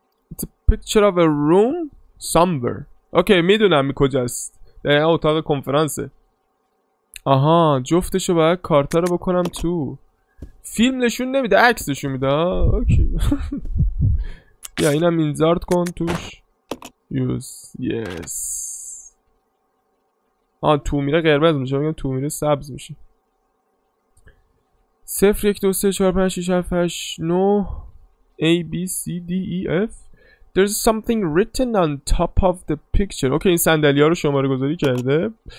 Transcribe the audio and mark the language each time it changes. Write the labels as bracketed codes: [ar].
[en] It's a picture of a room somewhere. [fa] Okay, میدونم کجاست. در این اتاق کنفرانسه. آها جفتشو باید کارتا رو بکنم تو. فیلم نشون نمیده، عکس نشون میده. اوکی. بیا اینم اینزارت کن توش. یوز. [en] Yes. [fa] آها تو میره قرمز میشه، میگم تو میره سبز میشه. [en] 0 1 2 3 4 5 6 7 8 9 A B C D E F. There's something written on top of the picture. [fa] اوکی این صندلی‌ها رو شماره گذاری کرده.